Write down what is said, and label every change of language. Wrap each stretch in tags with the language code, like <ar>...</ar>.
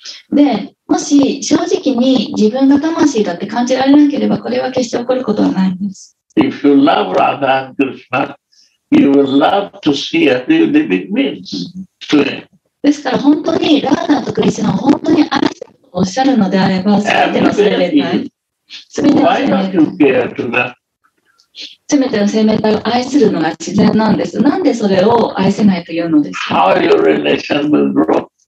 <ja>で、もし正直に自分が魂だって感じられなければ、これは決して起こることはないんです。</ja> <en>If you love Radha and Krishna, you will love to see a few living beings.</en> <ja>ですから本当にラーダーとクリスナを本当に愛しておっしゃるのであれば、すべての生命体、すべての生命体。</ja> <en>Why don't you care to that?</en> <ja>すべての生命体を愛するのが自然なんです。なんでそれを愛せないというのですか。</ja> <en>How your relation will grow?</en>